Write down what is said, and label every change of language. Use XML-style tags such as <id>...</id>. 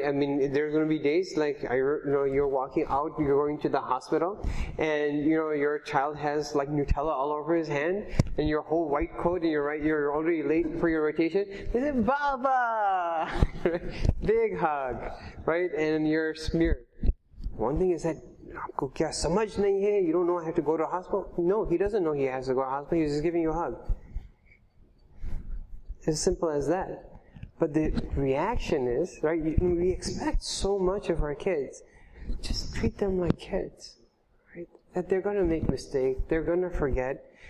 <en>I mean, there's going to be days like, you know, you're walking out, you're going to the hospital, and, you know, your child has like Nutella all over his hand, and your whole white coat, and you're already late for your rotation. They say, "Baba!" Big hug, right? And you're smeared. One thing is that,</en> <ur>"آپکو کیا سمجھ نہیں ہے?</ur> <en>You don't know I have to go to a hospital?" No, he doesn't know he has to go to a hospital. He's just giving you a hug. As simple as that. But the reaction is, right, we expect so much of our kids. Just treat them like kids, right? That they're going to make mistakes, they're going to forget.</en>